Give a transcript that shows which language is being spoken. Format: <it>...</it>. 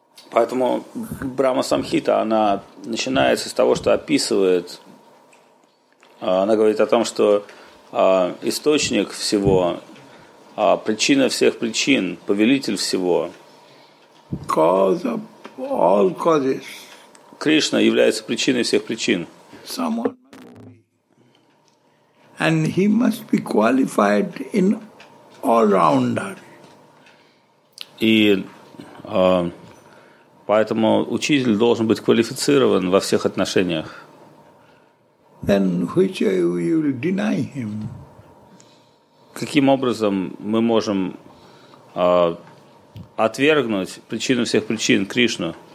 <ru>Поэтому Брахма Самхита, она начинается с того, что описывает, она говорит о том, что источник всего, причина всех причин, повелитель всего.</ru> <en>Cause of all causes.</en> <ru>Кришна является причиной всех причин.</ru> <en>And he must be qualified in all-rounder.</en> <ru>И поэтому учитель должен быть квалифицирован во всех отношениях.</ru> <en>Then which you will deny him?</en> <ru>Каким образом мы можем отвергнуть причину всех причин, Кришну?</ru>